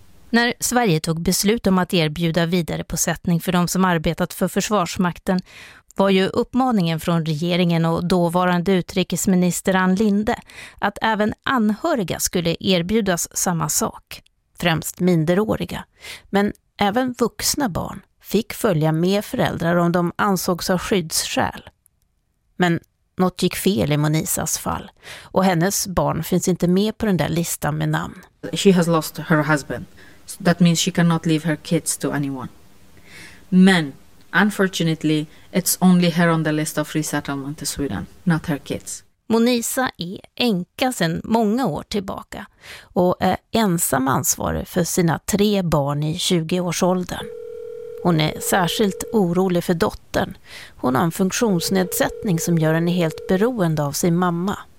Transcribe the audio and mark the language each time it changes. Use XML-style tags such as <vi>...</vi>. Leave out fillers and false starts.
<sv>När Sverige tog beslut om att erbjuda vidare bosättning för de som arbetat för Försvarsmakten var ju uppmaningen från regeringen och dåvarande utrikesminister Ann Linde att även anhöriga skulle erbjudas samma sak. Främst minderåriga, men även vuxna barn fick följa med föräldrar om de ansågs av skyddsskäl. Men något gick fel i Monisas fall och hennes barn finns inte med på den där listan med namn.</sv> <en>She has lost her husband. So that means she cannot leave her kids to anyone. Men unfortunately it's only her on the list of resettlement to Sweden, not her kids.</en> <sv>Monisa är änka sedan många år tillbaka och är ensam ansvarig för sina tre barn i 20-årsåldern. Hon är särskilt orolig för dottern. Hon har en funktionsnedsättning som gör henne helt beroende av sin mamma.</sv>